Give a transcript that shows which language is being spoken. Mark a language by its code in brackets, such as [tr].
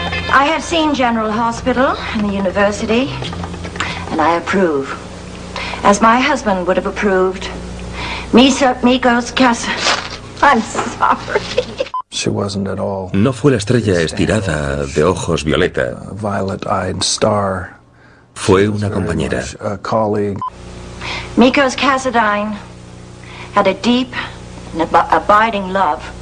[en] I have seen General Hospital and the university. And I approve, as my husband would have approved. [es] No fue la estrella estirada de ojos violeta. Fue una compañera. [en] Miko's Cassadine had a deep and abiding love.